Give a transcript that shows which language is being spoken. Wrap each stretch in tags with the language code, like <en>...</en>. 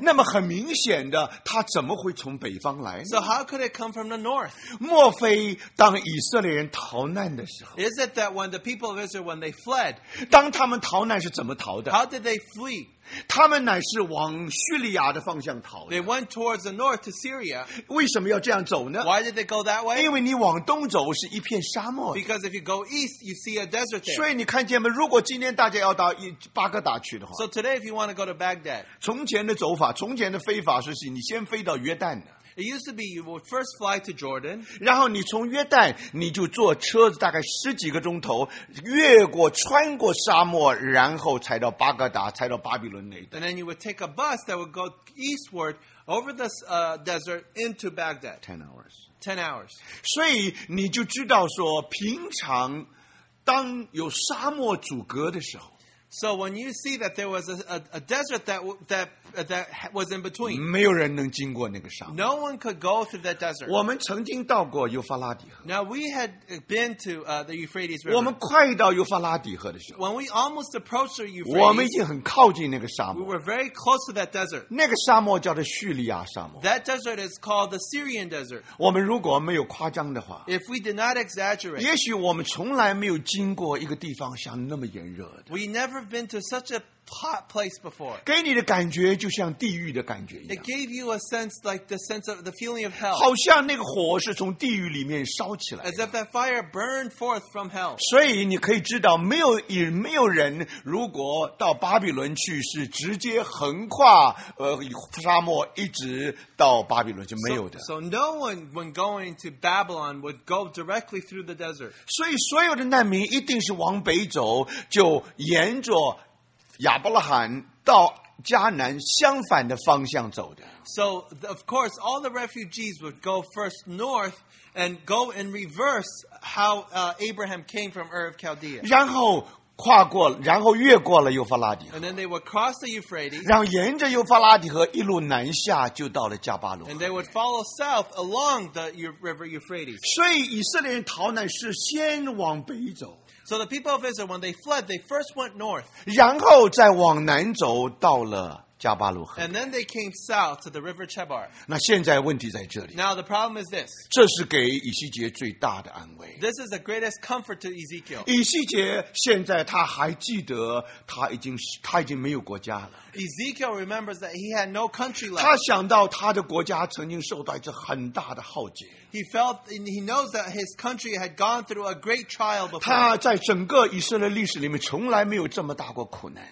<zh>那么很明显的，它怎么会从北方来呢</zh> <en>？So how could it come from the north?</en> <zh>莫非当以色列人逃难的时候</zh> <en>？Is it that when the people of Israel when they fled?</en> <zh>当他们逃难是怎么逃的</zh> <en>？How did they flee?</en> <zh>他们乃是往叙利亚的方向逃的。</zh> <en>They went towards the north to Syria.</en> <zh>为什么要这样走呢</zh> <en>？Why did they go that way?</en> <zh>因为你往东走是一片沙漠。</zh> <en>Because if you go east, you see a desert there.</en> <zh>所以你看见吗？如果今天大家要到巴格达去的话</zh> <en>，So today if you want to go to Baghdad,</en> <zh>从前的走法，从前的飞法是你先飞到约旦的。</zh> <en>It used to be you would first fly to Jordan.</en> <zh>然后你从约旦，你就坐车子大概十几个钟头，越过穿过沙漠，然后才到巴格达，才到巴比伦那一带。</zh> <en>And then you would take a bus that would go eastward over the desert into Baghdad. 10 hours. 10 hours.</en> <zh>所以你就知道说，平常当有沙漠阻隔的时候。</zh> <en>So when you see that there was a desert that was in between,</en> <zh>没有人能经过那个沙漠。</zh> <en>No one could go through that desert.</en> <zh>我们曾经到过幼发拉底河。</zh> <en>Now we had been to the Euphrates River.</en> <zh>我们快到幼发拉底河的时候。</zh> <en>When we almost approached the Euphrates,</en> <zh>我们已经很靠近那个沙漠。</zh> <en>We were very close to that desert.</en> <zh>那个沙漠叫做叙利亚沙漠。</zh> <en>That desert is called the Syrian desert.</en> <zh>我们如果没有夸张的话</zh> <en>，If we did not exaggerate,</en> <zh>也许我们从来没有经过一个地方像那么炎热的。</zh> <en>We never. I've been to such a hot place before.</en> <zh>给你的感觉就像地狱的感觉一样。</zh> <en>It gave you a sense like the sense of the feeling of hell.</en> <zh>好像那个火是从地狱里面烧起来的。</zh> <en>As if that fire burned forth from hell.</en> <zh>所以你可以知道，没有人如果到巴比伦去是直接横跨沙漠一直到巴比伦就没有的。</zh> <en>So no one when going to Babylon would go directly through the desert.</en> <zh>所以所有的难民一定是往北走，就沿着。亚伯拉罕到迦南相反的方向走的。</zh> <en>So, of course, all the refugees would go first north and go in reverse how Abraham came from Ur of Chaldea.</en> <zh>然后跨过，然后越过了幼发拉底河。</zh> <en>And then they would cross the Euphrates.</en> <zh>然后沿着幼发拉底河一路南下就到了加巴罗。</zh> <en>And they would follow south along the river Euphrates.</en> <zh>所以以色列人逃难是先往北走。</zh> <en>So the people of Israel, when they fled, they first went north.</en> <zh>然后再往南走到了加巴鲁河。</zh> <en>And then they came south to the river Chebar.</en> <zh>那现在问题在这里。</zh> <en>Now the problem is this.</en> <zh>这是给以西结最大的安慰。</zh> <en>This is the greatest comfort to Ezekiel.</en> <zh>以西结现在他还记得他已经没有国家了。</zh> <en>Ezekiel remembers that he had no country left.</en> <zh>他想到他的国家曾经受到一次很大的浩劫。</zh> <en>He felt and he knows that his country had gone through a great trial before.</en> <zh>他在整个以色列历史里面从来没有这么大过苦难。</zh>